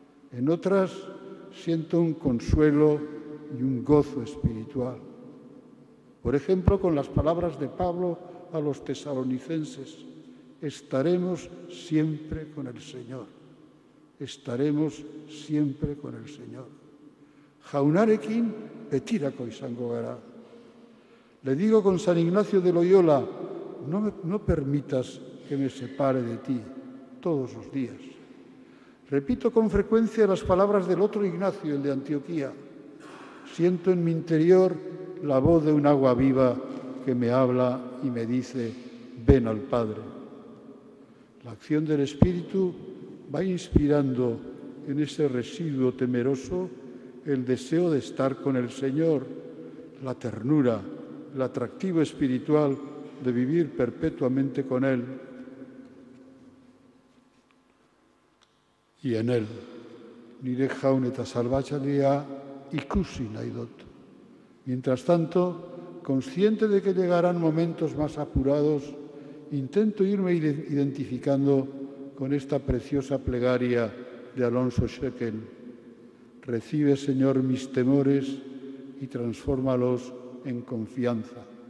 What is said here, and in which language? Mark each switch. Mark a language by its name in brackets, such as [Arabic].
[Spanish] En otras siento un consuelo y un gozo espiritual. Por ejemplo, con las palabras de Pablo a los tesalonicenses, estaremos siempre con el Señor. Estaremos siempre con el Señor. [Basque] Jaunarekin betirako izango gara. [Spanish] Le digo con San Ignacio de Loyola, no permitas que me separe de ti todos los días. Repito con frecuencia las palabras del otro Ignacio, el de Antioquía. Siento en mi interior la voz de un agua viva que me habla y me dice, ven al Padre. La acción del Espíritu va inspirando en ese residuo temeroso el deseo de estar con el Señor, la ternura, el atractivo espiritual de vivir perpetuamente con Él y en Él. [Basque] Nire jaun eta salbatzailea ikusi nahi dut. [Spanish] Mientras tanto, consciente de que llegarán momentos más apurados, intento irme identificando con esta preciosa plegaria de Alonso Schekel. Recibe, Señor, mis temores y transfórmalos en confianza.